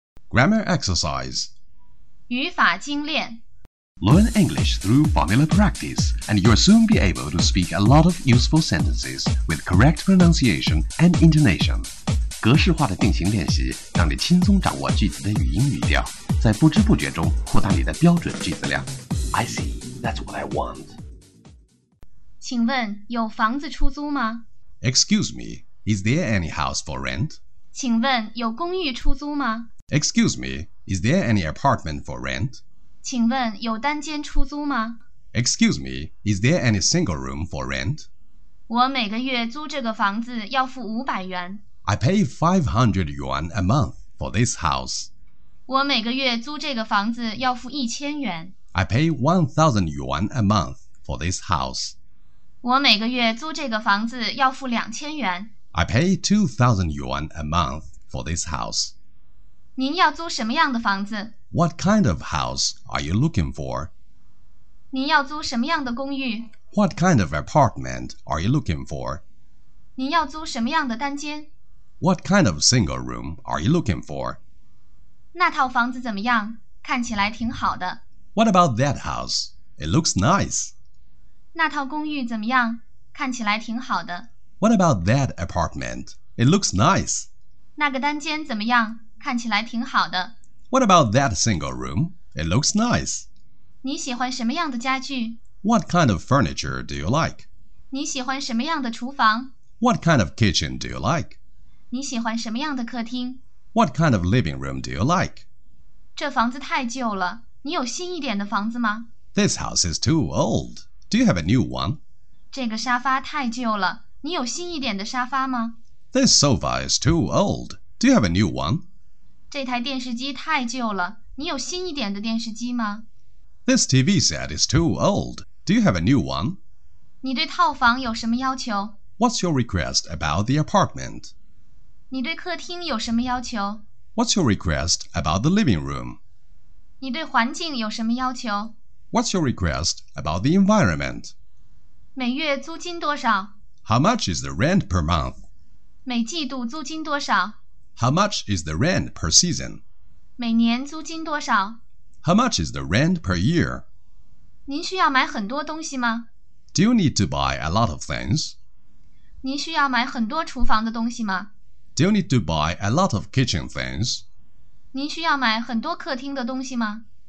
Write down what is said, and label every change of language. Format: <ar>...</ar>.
<en>Grammar exercise.</en> <zh>语法精炼</zh> <en>Learn English through formula practice, and you'll soon be able to speak a lot of useful sentences with correct pronunciation and intonation.</en> <zh>格式化的定型练习让你轻松掌握句子的语音语调，在不知不觉中扩大你的标准句子量。</zh> <en>I see, that's what I want.</en> <zh>请问有房子出租吗？</zh> <en>Excuse me, is there any house for rent?</en> <zh>请问有公寓出租吗？</zh> <en>Excuse me, is there any apartment for rent?</en> <zh>请问有单间出租吗？</zh> <en>Excuse me, is there any single room for rent?</en> <zh>我每个月租这个房子要付500元。</zh> <en>I pay 500 yuan a month for this house.</en> <zh>我每个月租这个房子要付1000元。</zh> <en>I pay 1000 yuan a month for this house.</en> <zh>我每个月租这个房子要付2000元。</zh> <en>I pay 2000 yuan a month for this house.</en> <zh>您要租什么样的房子？</zh> <en>What kind of house are you looking for?</en> <zh>您要租什么样的公寓？</zh> <en>What kind of apartment are you looking for?</en> <zh>您要租什么样的单间？</zh> <en>What kind of single room are you looking for?</en> <zh>那套房子怎么样？看起来挺好的。</zh> <en>What about that house? It looks nice.</en> <zh>那套公寓怎么样？看起来挺好的。</zh> <en>What about that apartment? It looks nice.</en> <zh>那个单间怎么样？看起来挺好的。</zh> <en>What about that single room? It looks nice.</en> <zh>你喜欢什么样的家具？</zh> <en>What kind of furniture do you like?</en> <zh>你喜欢什么样的厨房？</zh> <en>What kind of kitchen do you like?</en> <zh>你喜欢什么样的客厅？</zh> <en>What kind of living room do you like?</en> <zh>这房子太旧了，你有新一点的房子吗？</zh> <en>This house is too old. Do you have a new one?</en> <zh>这个沙发太旧了，你有新一点的沙发吗？</zh> <en>This sofa is too old. Do you have a new one?</en> <zh>这台电视机太旧了，你有新一点的电视机吗？</zh> <en>This TV set is too old. Do you have a new one?</en> <zh>你对套房有什么要求?</zh> <en>What's your request about the apartment?</en> <zh>你对客厅有什么要求?</zh> <en>What's your request about the living room?</en> <zh>你对环境有什么要求?</zh> <en>What's your request about the environment?</en> <zh>每月租金多少?</zh> <en>How much is the rent per month?</en> <zh>每季度租金多少?</zh> <en>How much is the rent per season?</en> <zh>每年租金多少?</zh> <en>How much is the rent per year?</en> <zh>您需要买很多东西吗?</zh> <en>Do you need to buy a lot of things?</en> <zh>您需要买很多厨房的东西吗?</zh> <en>Do you need to buy a lot of kitchen things?</en> <zh>您需要买很多客厅的东西吗?</zh>